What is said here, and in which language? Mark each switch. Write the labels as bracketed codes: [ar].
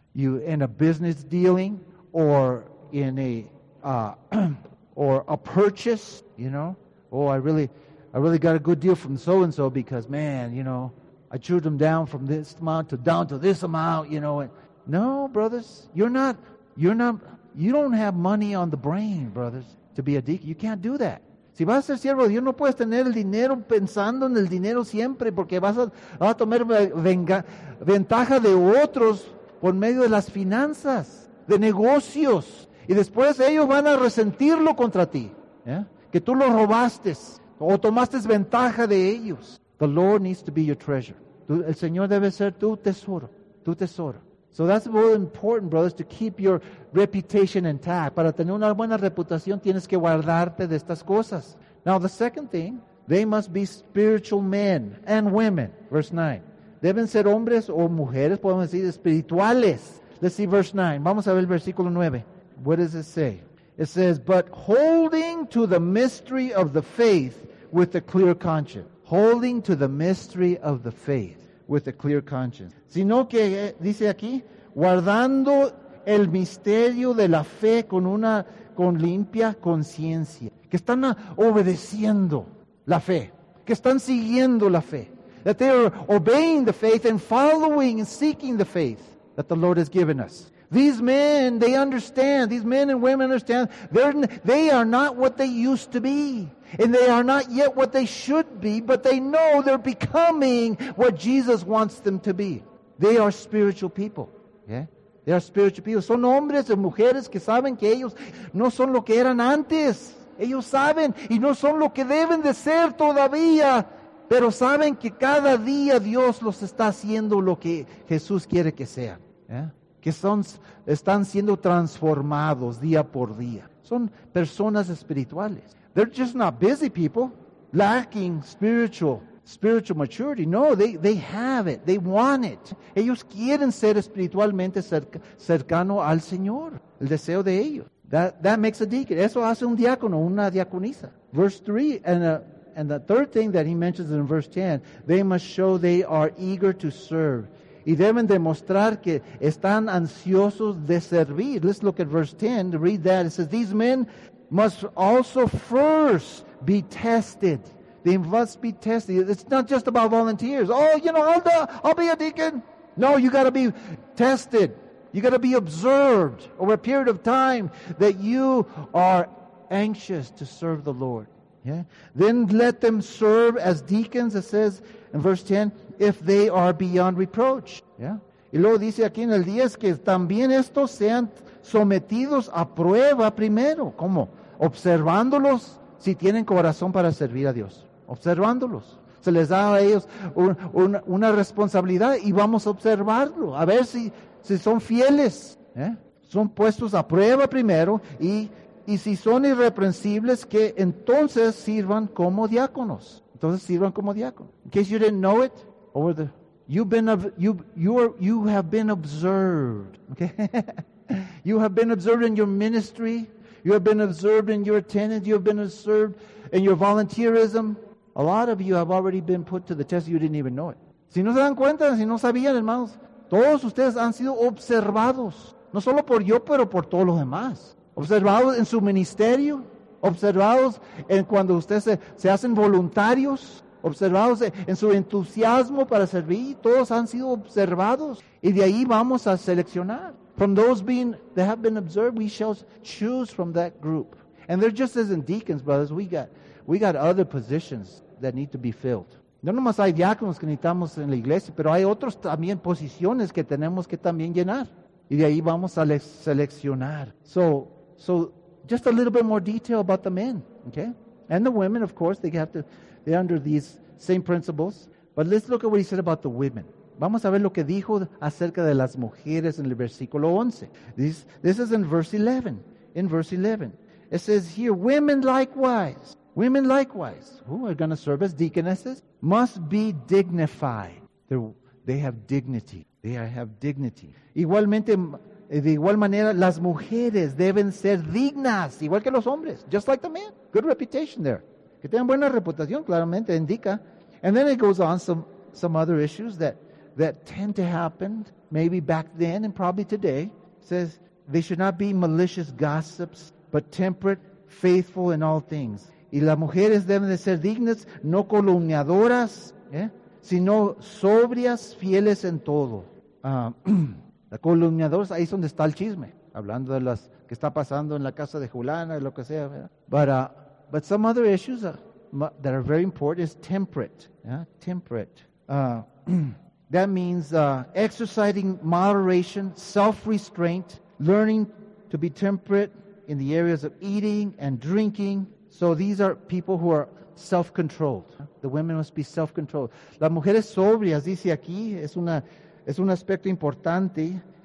[en] You in a business dealing or in a or a purchase, you know. Oh, I really got a good deal from so and so because, man, you know, I chewed them down from this amount to down to this amount, you know. And no, brothers, you're not you don't have money on the brain, brothers, to be a deacon. You can't do that. [es] Si vas a ser siervo de Dios, no puedes tener el dinero pensando en el dinero siempre, porque vas a tomar ventaja de otros por medio de las finanzas, de negocios, y después ellos van a resentirlo contra ti, ¿eh? Que tú lo robaste o tomaste ventaja de ellos. [en] The Lord needs to be your treasure. [es] El Señor debe ser tu tesoro. [en] So that's very important, brothers, to keep your reputation intact. [es] Para tener una buena reputación, tienes que guardarte de estas cosas. [en] Now, the second thing, they must be spiritual men and women. Verse 9. [es] Deben ser hombres o mujeres, podemos decir, espirituales. [en] Let's see verse 9. [es] Vamos a ver el versículo 9. [en] What does it say? It says, but holding to the mystery of the faith with a clear conscience. Holding to the mystery of the faith with a clear conscience. [es] Sino que, dice aquí, guardando el misterio de la fe con una, con limpia conciencia. Que están obedeciendo la fe. Que están siguiendo la fe. [en] That they are obeying the faith and following and seeking the faith that the Lord has given us. These men, they understand. These men and women understand. They are not what they used to be. And they are not yet what they should be, but they know they're becoming what Jesus wants them to be. They are spiritual people. Yeah? They are spiritual people. [es] Son hombres y mujeres que saben que ellos no son lo que eran antes. Ellos saben y no son lo que deben de ser todavía. Pero saben que cada día Dios los está haciendo lo que Jesús quiere que sean. Yeah? Que están siendo transformados día por día. Son personas espirituales. [en] They're just not busy people, lacking spiritual maturity. No, they have it. They want it. [es] Ellos quieren ser espiritualmente cercano al Señor. El deseo de ellos. [en] That makes a deacon. [es] Eso hace un diácono, una diaconisa. [en] Verse 3, and the third thing that he mentions in verse 10, they must show they are eager to serve. [es] Y deben demostrar que están ansiosos de servir. [en] Let's look at verse 10. Read that. It says, these men must also first be tested. They must be tested. It's not just about volunteers. Oh, you know, I'll be a deacon. No, you got to be tested. You got to be observed over a period of time that you are anxious to serve the Lord. Yeah? Then let them serve as deacons, it says in verse 10, if they are beyond reproach. Yeah? [es] Y luego dice aquí en el 10 que también estos sean sometidos a prueba primero. ¿Cómo? Observándolos si tienen corazón para servir a Dios. Observándolos. Se les da a ellos una responsabilidad y vamos a observarlo. A ver si son fieles. ¿Eh? Son puestos a prueba primero y si son irreprensibles, que entonces sirvan como diáconos. Entonces sirvan como diáconos. [en] In case you didn't know it, you have been observed. Okay? You have been observed in your ministry. You have been observed in your attendance. You have been observed in your volunteerism. A lot of you have already been put to the test. You didn't even know it. [es] Si no se dan cuenta, si no sabían, hermanos, todos ustedes han sido observados. No solo por yo, pero por todos los demás. Observados en su ministerio. Observados en cuando ustedes se hacen voluntarios. Observados en su entusiasmo para servir. Todos han sido observados. Y de ahí vamos a seleccionar. [en] From those being that have been observed, we shall choose from that group. And there just isn't deacons, brothers. We got other positions that need to be filled. [es] No nomás hay diáconos que necesitamos en la iglesia, pero hay otros también posiciones que tenemos que también llenar. Y de ahí vamos a seleccionar. [en] So just a little bit more detail about the men, okay? And the women, of course, they're under these same principles. But let's look at what he said about the women. [es] Vamos a ver lo que dijo acerca de las mujeres en el versículo 11. [en] This is in verse 11. In verse 11. It says here, women likewise, who are going to serve as deaconesses, must be dignified. They're, They have dignity. They have dignity. [es] Igualmente, de igual manera, las mujeres deben ser dignas, igual que los hombres. [en] Just like the men. Good reputation there. [es] Que tengan buena reputación, claramente, indica. [en] And then it goes on some other issues that tend to happen, maybe back then and probably today. It says, they should not be malicious gossips, but temperate, faithful in all things. [es] Y las mujeres deben de ser dignas, no calumniadoras, sino sobrias, fieles en todo. Las calumniadoras, ahí es donde está el chisme, hablando de las que está pasando en la casa de Juliana, lo que sea. [en] But some other issues that are very important is temperate. Yeah? Temperate. That means exercising moderation, self-restraint, learning to be temperate in the areas of eating and drinking. So these are people who are self-controlled. The women must be self-controlled. [es] Las mujeres sobrias, dice aquí, es un aspecto importante.